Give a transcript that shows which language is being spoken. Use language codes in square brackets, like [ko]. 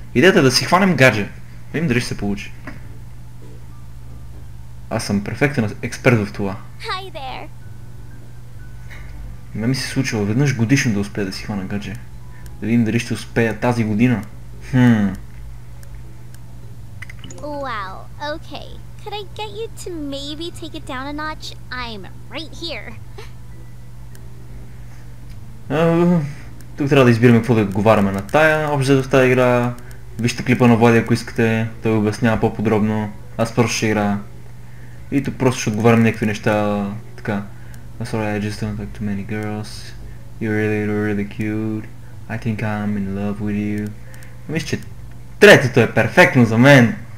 [bg] Идеята е да си хванем гадже. Видим дали ще се получи. Аз съм перфектен експерт в това. [en] Hi there. [bg] Не ми се случва веднъж годишно да успея да си хвана гадже. Да видим дали ще успея тази година. [en] Wow, okay. Could I get you to maybe take it down a notch? I'm right here. [bg] Тук трябва да избираме какво да отговаряме на тая обща в тази игра. Вижте клипа на Влади, ако искате, той обяснява по-подробно. Аз просто ще игра. И тук просто ще отговарям някакви неща така. [en] Sorry, I just don't like too many girls. You're really, really cute. I think I'm in love with you. [bg] Мисля, че третото е перфектно за мен.